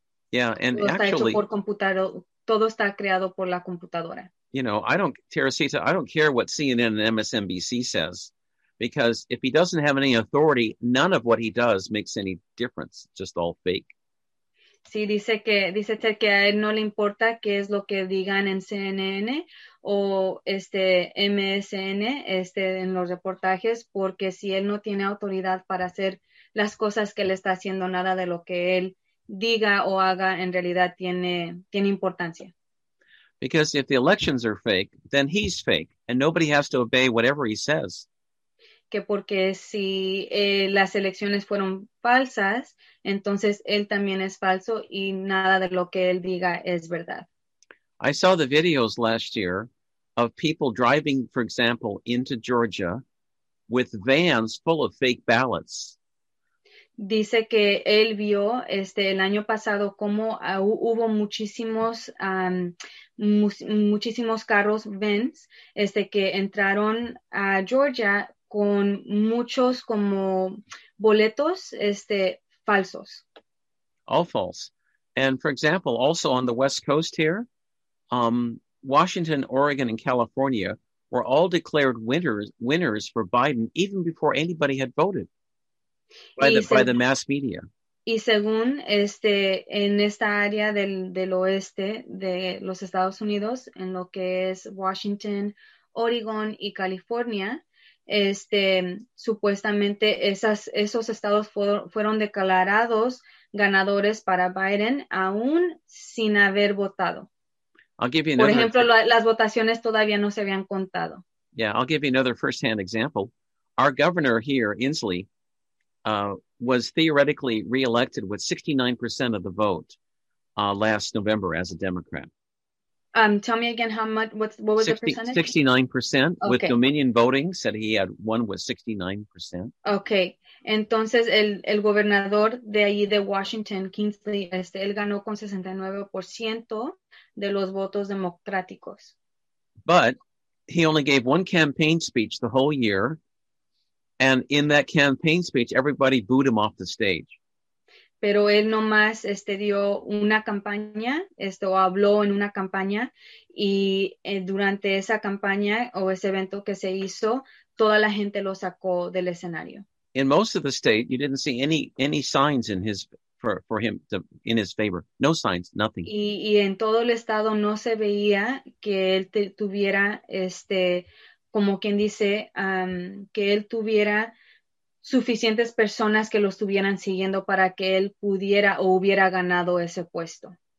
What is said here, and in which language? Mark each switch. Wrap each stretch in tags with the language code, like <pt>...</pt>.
<en>Yeah, and</en> <es>todo</es> <en>actually,</en> <es>está hecho por todo está creado por la computadora.</es> <en>You know, I don't, Teresita, I don't care what CNN and MSNBC says. because if he doesn't have any authority, none of what he does makes any difference. It's just all fake.</en> <es>Sí, dice Ted que a él no le importa qué es lo que digan en CNN o MSN en los reportajes, porque si él no tiene autoridad para hacer las cosas que le está haciendo, nada de lo que él diga o haga en realidad tiene importancia.</es> <en>Because if the elections are fake, then he's fake and nobody has to obey whatever he says.</en> <es>Que porque si las elecciones fueron falsas, entonces él también es falso y nada de lo que él diga es verdad.</es> <en>I saw the videos last year of people driving, for example, into Georgia with vans full of fake ballots.</en> <es>Dice que él vio el año pasado cómo hubo muchísimos muchísimos carros vans que entraron a Georgia con muchos como boletos falsos.</es> <en>All false. And for example, also on the West Coast here, Washington, Oregon, and California were all declared winners for Biden even before anybody had voted. By the mass media.</en> <es>Y según en esta área del oeste de los Estados Unidos, en lo que es Washington, Oregon y California, supuestamente esos estados fueron declarados ganadores para Biden aún sin haber votado.</es> <en>I'll give you another.</en> <es>Por ejemplo, las votaciones todavía no se habían contado.</es> <en>Yeah, I'll give you another first-hand example. Our governor here, Inslee, was theoretically reelected with 69% of the vote last November as a Democrat. Tell me again what was the percentage? 69%. Okay. With Dominion voting, said he had won with 69%. Okay.</en> <es>Entonces, el gobernador de allí de Washington, Kingsley, él ganó con 69% de los votos democráticos.</es> <en>But he only gave one campaign speech the whole year. And in that campaign speech, everybody booed him off the stage.</en> <es>Pero él nomás dio una campaña, habló en una campaña, y durante esa campaña o ese evento que se hizo, toda la gente lo sacó del escenario.</es> <en>In most of the state, you didn't see any signs in his for him to, in his favor. No signs, nothing.</en> <es>Y en todo el estado no se veía que él tuviera como quien dice, que él tuviera suficientes personas que lo estuvieran siguiendo para que él pudiera o hubiera ganado ese puesto.</es>